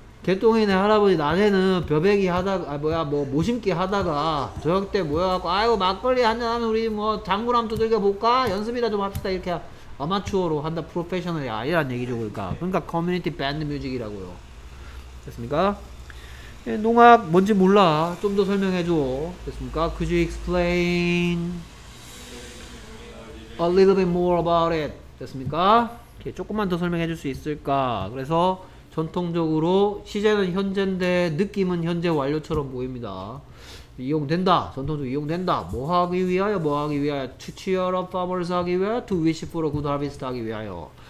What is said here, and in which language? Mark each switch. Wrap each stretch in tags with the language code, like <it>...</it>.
<ko>개똥이네 할아버지 낮에는 벼베기 하다가 모심기 하다가 저녁 때 모여갖고 아이고 막걸리 한잔 하면 우리 뭐 장군함 두들겨 볼까 연습이라 좀 합시다 이렇게 아마추어로 한다 프로페셔널이 아니란 얘기죠. 그러니까 커뮤니티 밴드 뮤직이라고요. 됐습니까? 예, 농악 뭔지 몰라 좀 더 설명해줘. 됐습니까?</ko> <en>Could you explain a little bit more about it?</en> <ko>됐습니까? 예, 조금만 더 설명해줄 수 있을까? 그래서 전통적으로 시제는 현재인데 느낌은 현재 완료처럼 보입니다. 이용된다. 전통적으로 이용된다. 뭐 하기 위하여? 뭐 하기 위하여?</ko> <en>To cheer up farmers</en> <ko>하기 위하여?</ko> <en>To wish for a good harvest 하기 위하여?</en>